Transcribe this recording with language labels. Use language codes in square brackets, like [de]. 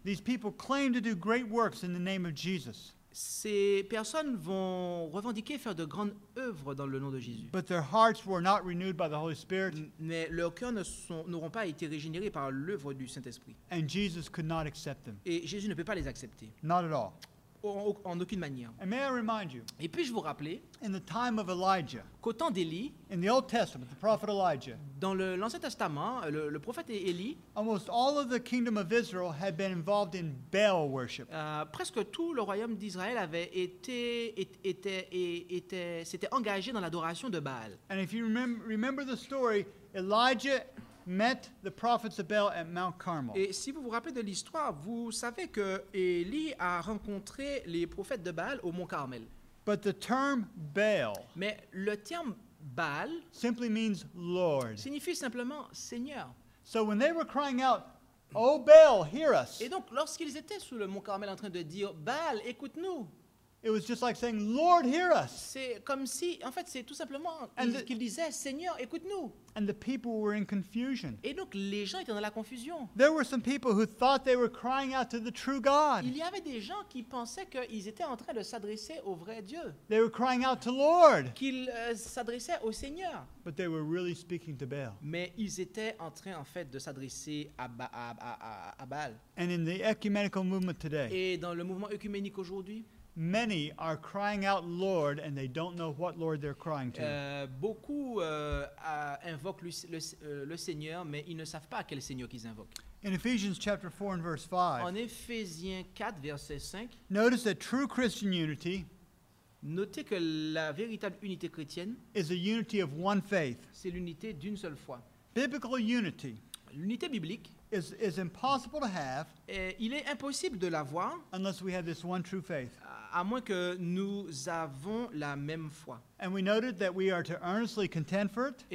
[en] These people claim to do great works in the name of Jesus. [fr] Ces personnes vont revendiquer faire de grandes œuvres dans le nom de Jésus. [en] But their hearts were not renewed by the Holy Spirit. [fr] Mais leurs cœurs n'auront pas été régénérés par l'œuvre du Saint-Esprit. [en] And Jesus could not accept them. [fr] Et Jésus ne peut pas les accepter. [en] Not at all. [fr] En aucune manière. [en] And may I remind you, [fr] et puis-je vous rappeler [en] in the time of Elijah, [fr] qu'au temps d'Élie, [en] in the Old Testament, the prophet Elijah, [fr] dans l'Ancien Testament, le prophète Élie, [en] almost all of the kingdom of Israel had been involved in Baal worship. [fr] Presque tout le royaume d'Israël avait s'était engagé dans l'adoration de Baal. [en] And if you remember the story, Elijah met the prophets of Baal at Mount Carmel. [fr] Et si vous vous rappelez de l'histoire, vous savez que Élie a rencontré les prophètes de Baal au Mont Carmel. [en] But the term Baal, [fr] mais le terme Baal, [en] simply means Lord. [fr] Signifie simplement Seigneur. [en] So when they were crying out, "Oh Baal, hear us!" [fr] Et donc lorsqu'ils étaient sous le Mont Carmel en train de dire, Baal, écoute-nous. [en] It was just like saying, "Lord, hear us." [fr] C'est comme si, en fait, c'est tout simplement qu'il disait, Seigneur, écoute-nous. [en] And the people were in confusion. [fr] Et donc les gens étaient dans la confusion. [en] There were some people who thought they were crying out to the true God. [fr] Il y avait des gens qui pensaient qu'ils étaient en train de s'adresser au vrai Dieu. [en] They were crying out to Lord. [fr] Qu'ils s'adressaient au Seigneur. [en] But they were really speaking to Baal. [fr] Mais ils étaient en train, en fait, de s'adresser à Baal. [en] And in the ecumenical movement today. [fr] Et dans le mouvement œcuménique aujourd'hui. [en] Many are crying out, Lord, and they don't know what Lord they're crying to. [fr] Beaucoup invoquent le Seigneur, mais ils ne savent pas quel Seigneur qu'ils invoquent. [en] In Ephesians chapter 4 and verse 5. [fr] En Éphésiens 4 verset 5. [en] Notice that true Christian unity. [fr] Notez que la véritable unité chrétienne. [en] Is a unity of one faith. [fr] C'est l'unité d'une seule foi. [en] Biblical unity. [fr] L'unité biblique. [en] Is impossible to have. [fr] Et il est impossible de l'avoir. [en] Unless we have this one true faith. [fr] À moins que nous avons la même foi. [en] And we noted that we are to earnestly contend for it.